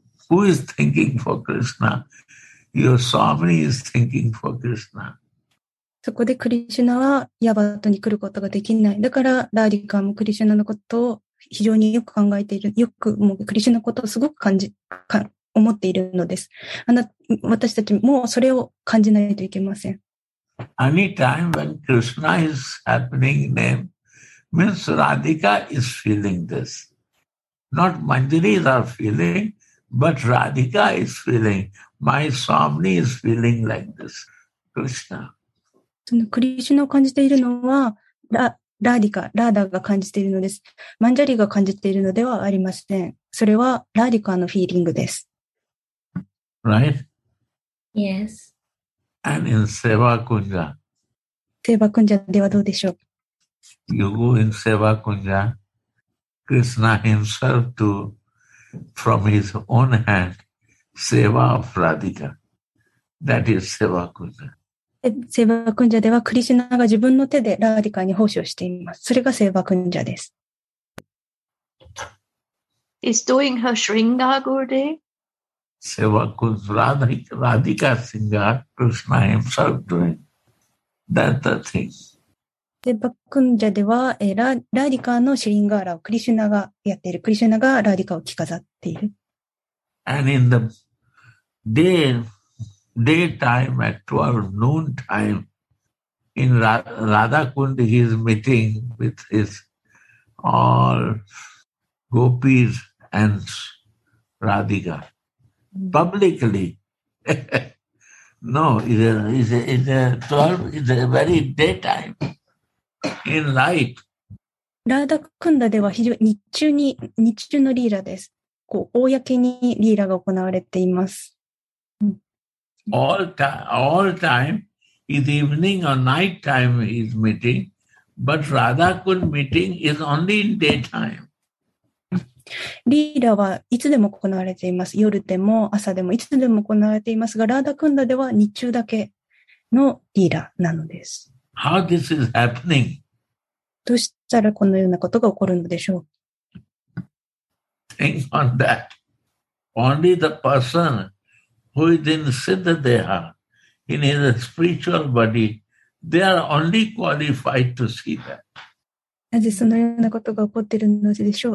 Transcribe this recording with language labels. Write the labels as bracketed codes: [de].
[en] Who is thinking for Krishna? Your Swami is thinking for Krishna. [ja] そこでクリシュナはヤバトに来ることができない。だからラーディカもクリシュナのことを非常によく考えている。よくもうクリシュナのことをすごく感じ、思っているのです。私たちもそれを感じないといけません。 [en] Anytime when Krishna is happening name, means Radhika is feeling this. Not Manjaris are feeling. But Radhika is feeling, my Swami is feeling like this, Krishna. [ja] そのクリシュナを感じているのは、ラーディカ、ラーダが感じているのです。マンジャリが感じているのではありません。それはラーディカのフィーリングです。 [en] Right? Yes. And in Seva Kunja? [ja] Seva Kunja ではどうでしょう? [en] You go in Seva Kunja, Krishna himself too. From his own hand, seva of Radhika. That is seva kunja. [ja] Seva kunja ではクリシュナが自分の手でラーディカに奉仕をしています。それがセバクンジャです。 [en] He's doing her shringa, Gurudev. Seva kunja, Radhika shringa, Krishna himself doing. That's the thing. [ja] セバクンジャでは、ラーディカのシリンガーラをクリシュナがやっている。クリシュナがラーディカを着飾っている。 [en] And in the daytime at 12 noon time, in Radhakund, he is meeting with his all gopis and Radhika. Publicly. No, it's a very daytime. In light. [ja] ラーダクンダでは非常に日中のリーラです。こう公にリーラが行われています。 [en] All time is evening or night time is meeting, but Radha Kund meeting is only in daytime. [ja] リーラはいつでも行われています。夜でも朝でもいつでも行われていますが、ラーダクンダでは日中だけのリーラなのです。 [en] How this is happening? [ja] どうしたらこのようなことが起こるのでしょう? [en] Think on that. Only the person who is in Siddha Deha, in his spiritual body, they are only qualified to see that. [ja] なぜそのようなことが起こっているのでしょう?